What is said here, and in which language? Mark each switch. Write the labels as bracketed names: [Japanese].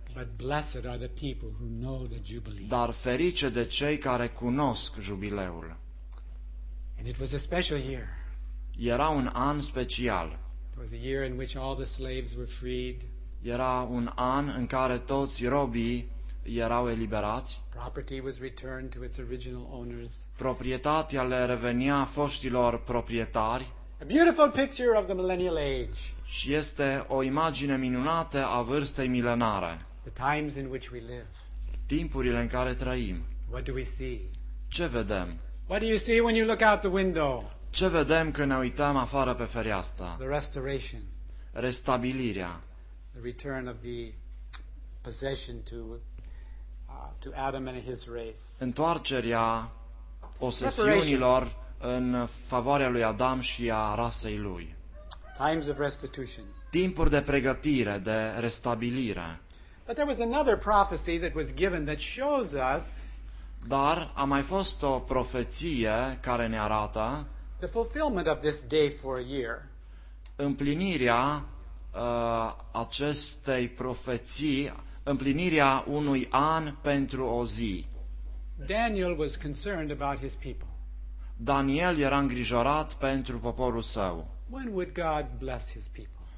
[English] But blessed are the people who know the jubilee. [Romanian] Dar ferice de cei care cunosc jubileul. [English] And it was a special year. [Romanian] Era un an special. [English] It was a year in which all the slaves were freed. [Romanian] Era un an în care toți robii erau eliberați. [English] Property was returned to its original owners. [Romanian] Proprietatea le revenea foștilor proprietari. [English] A beautiful picture of the millennial age. [Romanian] Și este o imagine minunată a vârstei milenare. [English] The times in which we live. [Romanian] Timpurile în care trăim. [English] What do we see? [Romanian] Ce vedem? [English] What do you see when you look out the window? [Romanian] Ce vedem când ne uităm afară pe fereastră? [English] The restoration. [Romanian] Restabilirea. [English] The return of the possession to Adam and his race. [Romanian] Întoarcerea posesiunilor în favoarea lui Adam și a rasei lui. [English] Times of restitution. [Romanian] Timpuri de pregătire, de restabilire. [English] But there was another prophecy that was given that shows us. [Romanian] Dar a mai fost o profeție care ne arată [English] the fulfillment of this day for a year. [Romanian] Împlinirea acestei profeții, împlinirea unui an pentru o zi. [English] Daniel was concerned about his people. [Romanian] Daniel era îngrijorat pentru poporul său. [English] When would God bless his people?